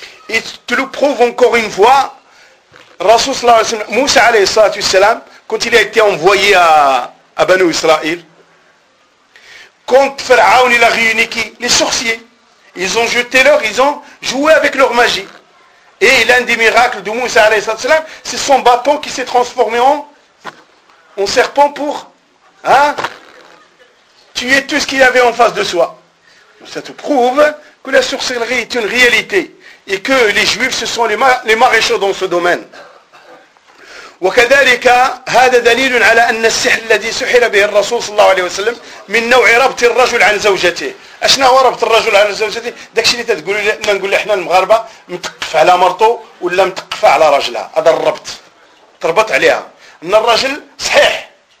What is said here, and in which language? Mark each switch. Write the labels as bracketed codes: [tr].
[fr] إي تلو بروف أونكور أون فوا [ar] الرسول صلى الله عليه وسلم موسى عليه الصلاة والسلام [fr] quand il a été envoyé à Banu Israël, quand Pharaon il a réuni qui les sorciers, ils ont jeté leur, ils ont joué avec leur magie. Et l'un des miracles de Moussa alayhi sallam, c'est son bâton qui s'est transformé en serpent pour tuer tout ce qu'il avait en face de soi. Ça te prouve que la sorcellerie est une réalité et que les juifs ce sont les maréchaux dans ce domaine. [ar] وكذلك هذا دليل على أن السحر الذي سحر به الرسول صلى الله عليه وسلم من نوع ربط الرجل عن زوجته أشنا هو ربط الرجل عن زوجته داك الشيء اللي تقولوا لنا نقول إحنا المغاربة متقف على مرته ولا متقف على رجلها هذا الربط تربط عليها أن الرجل صحيح